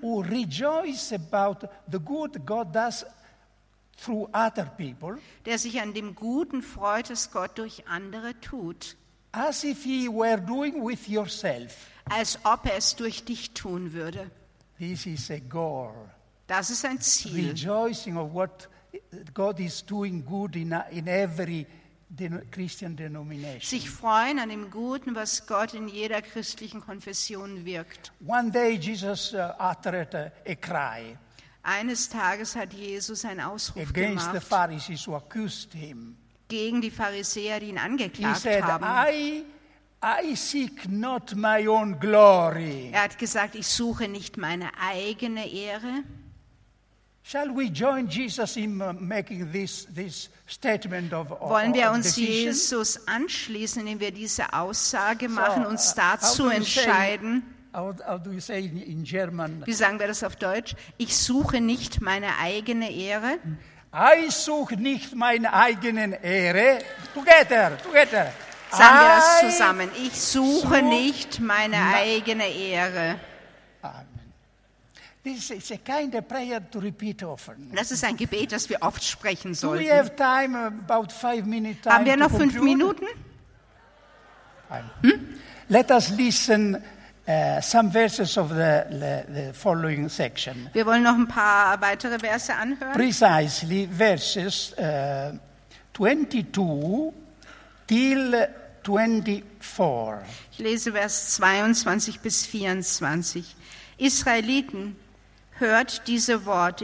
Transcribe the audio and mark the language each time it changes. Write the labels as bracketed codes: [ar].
[en] Who rejoices about the good God does through other people. [de] Der sich an dem Guten freut, das Gott durch andere tut. [en] As if he were doing with yourself. [de] Als ob er es durch dich tun würde. [en] This is a goal. [de] Das ist ein Ziel. [en] Rejoicing of what God is doing good in every Christian denomination. [de] Sich freuen an dem Guten, was Gott in jeder christlichen Konfession wirkt. [en] One day Jesus uttered a cry. [de] Eines Tages hat Jesus einen Ausruf gemacht. [en] Against the Pharisees who accused him. [de] Gegen die Pharisäer, die ihn angeklagt haben. [en] He said, I seek not my own glory. [de] Er hat gesagt, ich suche nicht meine eigene Ehre. [en] Shall we join Jesus in making this statement of decision? [de] Wollen wir uns Jesus anschließen, indem wir diese Aussage machen, uns dazu entscheiden? [en] How do you say in German? [de] Wie sagen wir das auf Deutsch? Ich suche nicht meine eigene Ehre. I suche nicht meine eigene Ehre. [en] Together. [de] Sagen wir das zusammen. Ich suche nicht meine eigene Ehre. Amen. [en] This is a kind of prayer to repeat often. [de] Das ist ein Gebet, das wir oft sprechen sollten. [en] Do we have time, about 5 minutes time [de] haben wir noch 5 Minuten? [en] Let us listen some verses of the following section. [de] Wir wollen noch ein paar weitere Verse anhören. [en] Precisely verses 22. Till 24. [de] Ich lese Vers 22 bis 24. Israeliten, hört diese Worte.